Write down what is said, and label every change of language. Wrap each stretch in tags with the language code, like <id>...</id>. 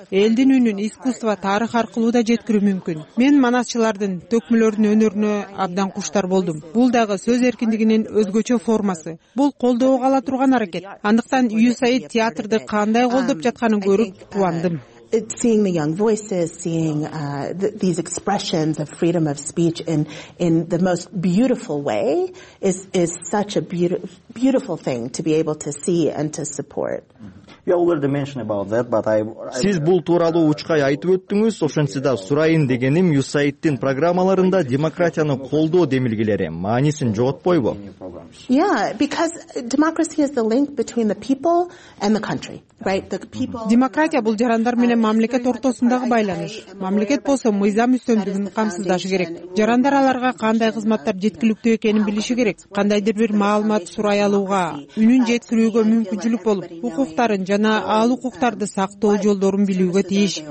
<ky>Элдин үнүн искусство, тарых аркылуу да жеткирүү мүмкүн. Мен манасчылардын төкмөлөрдүн өнөрүнө абдан куштар болдум. Бул дагы сөз эркиндигинин өзгөчө формасы. Бул колдоого ала турган аракет. Андыктан USAID театрды кандай колдоп жатканын көрүп кубандым.</ky> <en>Seeing the young voices, seeing these expressions of freedom of speech in the most beautiful way is such a beautiful thing to be able to see and to support. You already mentioned about that, but I...</en> <ky>Сиз бул тууралуу учкай айтып өттүңүз, ошентсе сурайын дегеним, USAID'тин программаларында демократияны колдоо демилгелери маанисин жоготпойбу?</ky> <en>Yeah, because democracy is the link between the people and the country, right? The people...</en> <ky>Демократия бул жарандар менен мамлекет ортосундагы байланыш. Мамлекет болсо мыйзам үстөмдүгүн камсыздашы керек. Жарандар аларга кандай кызматтар жеткиликтүү экенин билиши керек. Кандайдыр бир маалымат сурай алууга, үнүн жеткирүүгө мүмкүнчүлүк болуп, укуктарын жана ал укуктарды сактоо жолдорун билүүгө тийиш.</ky>